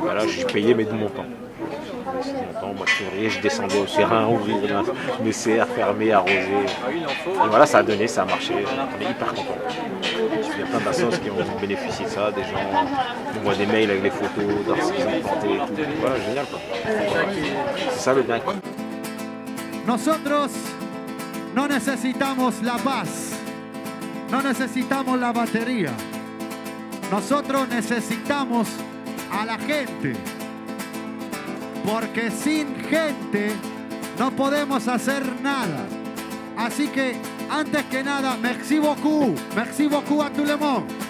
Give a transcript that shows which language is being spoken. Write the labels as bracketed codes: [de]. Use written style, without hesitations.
[fr] Voilà, je suis payé mais de mon temps. Moi je suis rien, je descendais au terrain, ouvrir mes serres, fermer, arroser. Et voilà, ça a donné, ça a marché. On est hyper content. Il y a plein d'associations qui ont bénéficié de ça, des gens qui envoient des mails avec des photos, dans ce qu'ils ont porté et tout. Voilà, génial quoi. C'est ça le bien. [es] Nosotros no necesitamos la paz. No necesitamos la batería. Nosotros necesitamos a la gente. Porque sin gente no podemos hacer nada. Así que antes que nada, [fr] merci beaucoup à tout le monde.